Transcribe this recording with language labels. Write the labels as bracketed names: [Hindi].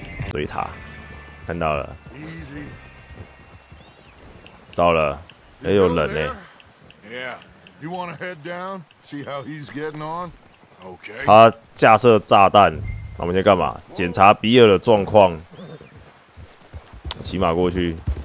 [Chinese] 追他，看到了，到了，哎，有人呢。 [English] Yeah, you want to head down, see how he's getting on? Okay. [Chinese] 他架设炸弹，我们先干嘛？检查比尔的状况，骑马过去。